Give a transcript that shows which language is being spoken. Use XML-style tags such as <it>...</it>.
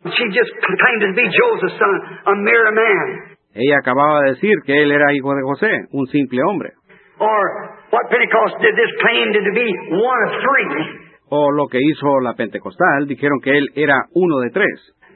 <en>She just claimed to be Joseph's son, a mere man.</en> <es>Ella acababa de decir que él era hijo de José, un simple hombre.</es> <en>Or what Pentecost did this claim to be one of three.</en> <es>O lo que hizo la Pentecostal, dijeron que él era uno de tres.</es>